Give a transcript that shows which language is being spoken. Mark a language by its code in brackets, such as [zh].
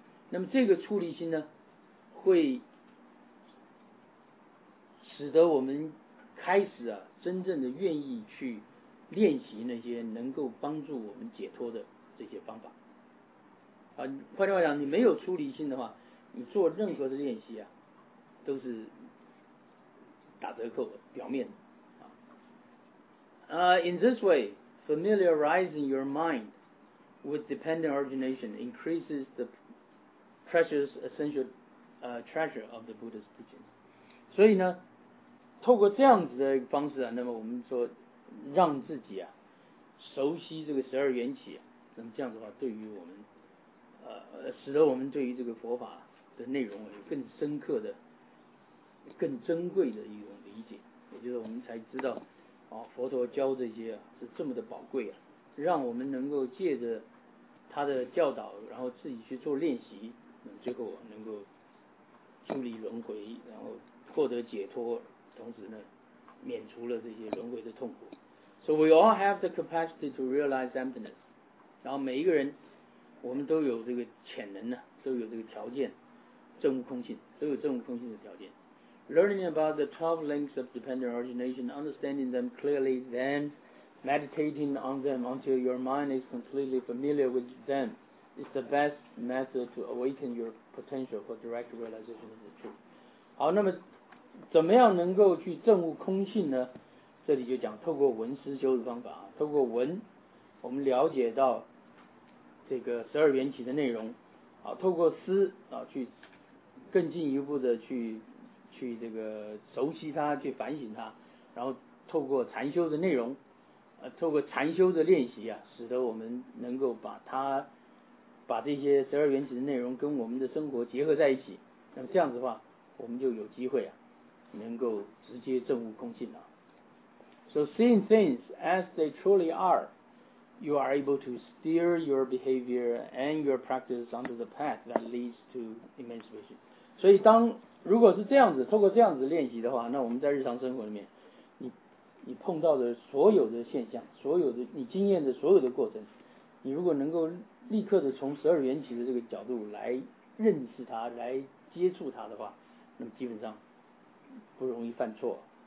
[zh] 那么这个出离心呢，会使得我们开始啊，真正的愿意去练习那些能够帮助我们解脱的这些方法。啊，换句话讲，你没有出离心的话，你做任何的练习啊，都是打折扣的，表面的。 [en] In this way, familiarizing your mind with dependent origination increases the precious essential treasure of the Buddha's teaching. [zh] 所以呢，透过这样子的方式啊，那么我们说让自己啊熟悉这个十二缘起啊，那么这样子的话，对于我们使得我们对于这个佛法的内容有更深刻的、更珍贵的一种理解，也就是我们才知道啊，佛陀教这些啊是这么的宝贵啊，让我们能够借着他的教导，然后自己去做练习，那么最后啊能够出离轮回，然后获得解脱。同时呢，免除了这些轮回的痛苦。 [en] So we all have the capacity to realize emptiness. [zh] 然后每一个人，我们都有这个潜能呢，都有这个条件，证悟空性，都有证悟空性的条件。 [en] Learning about the 12 links of dependent origination, understanding them clearly, then meditating on them until your mind is completely familiar with them, is the best method to awaken your potential for direct realization of the truth. [zh] 好，那么。怎么样能够去证悟空性呢？这里就讲透过闻思修的方法啊，透过闻，我们了解到这个十二缘起的内容啊，透过思啊，去更进一步的去这个熟悉它，去反省它，然后透过禅修的内容，透过禅修的练习啊，使得我们能够把这些十二缘起的内容跟我们的生活结合在一起，那么这样子的话，我们就有机会啊。能够直接证悟空性了。 [en] So seeing things as they truly are you are able to steer your behavior and your practice onto the path that leads to emancipation. [zh] 所以当如果是这样子，透过这样子练习的话，那我们在日常生活里面，你碰到的所有的现象，所有的你经验的所有的过程，你如果能够立刻的从十二缘起的这个角度来认识它，来接触它的话，那么基本上不容易犯错。